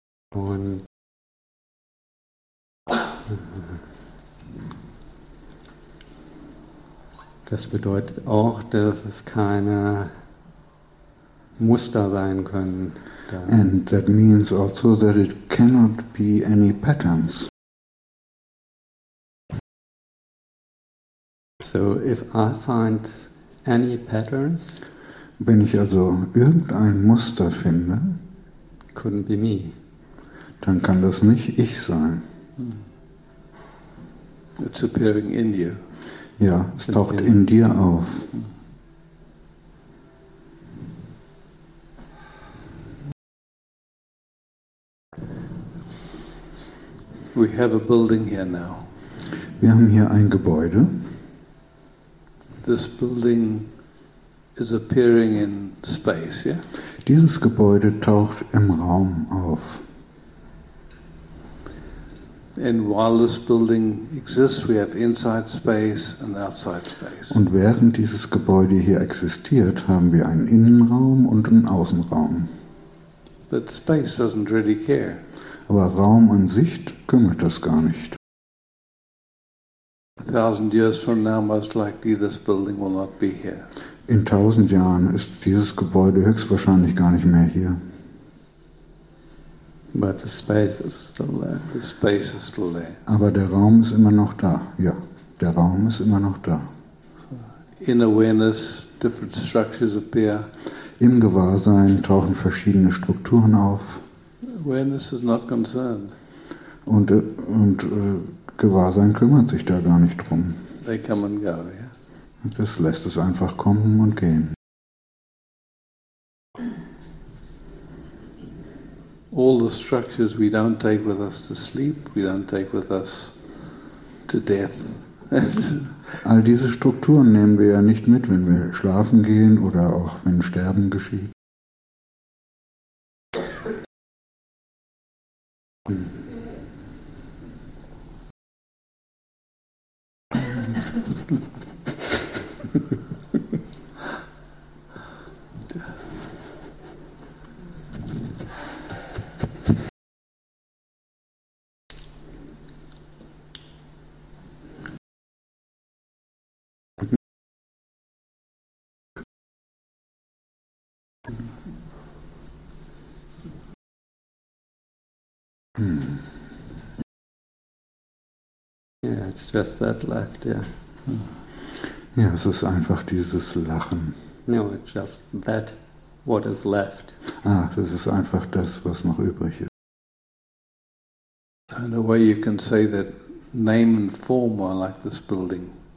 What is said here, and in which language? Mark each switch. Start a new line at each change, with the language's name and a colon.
German: Und das bedeutet auch, dass es keine Muster sein können.
English: And that means also that it cannot be any patterns. So if I find any patterns,
German: wenn ich also irgendein Muster finde,
English: couldn't be me.
German: Dann kann das nicht ich sein.
English: It's appearing in you.
German: Ja, es taucht in dir auf.
English: We have a building here now.
German: Wir haben hier ein Gebäude.
English: This building is appearing in space, yeah?
German: Dieses Gebäude taucht im Raum auf.
English: And while this building exists, we have inside space and outside space.
German: Und während dieses Gebäude hier existiert, haben wir einen Innenraum und einen Außenraum.
English: But space doesn't really care.
German: Aber Raum an sich kümmert das gar nicht.
English: 1000 years from now, most likely this building will not be here.
German: In 1000 Jahren ist dieses Gebäude höchstwahrscheinlich gar nicht mehr hier.
English: But the space is still there. The space is still there.
German: Aber der Raum ist immer noch da. Ja, der Raum ist immer noch da.
English: In awareness, different structures appear.
German: Im Gewahrsein tauchen verschiedene Strukturen auf.
English: Awareness is not concerned.
German: Und Gewahrsein kümmert sich da gar nicht drum.
English: They come and go, yeah?
German: Das lässt es einfach kommen und gehen.
English: All the structures we don't take with us to sleep, we don't take with us to death.
German: All diese Strukturen nehmen wir ja nicht mit, wenn wir schlafen gehen oder auch wenn Sterben geschieht.
English: Yeah, it's just that left, yeah.
German: Ja, es ist einfach dieses Lachen.
English: No, it's just that what is left.
German: Ah, das ist einfach das, was noch übrig ist.
English: And the way you can say that name and form are like this building.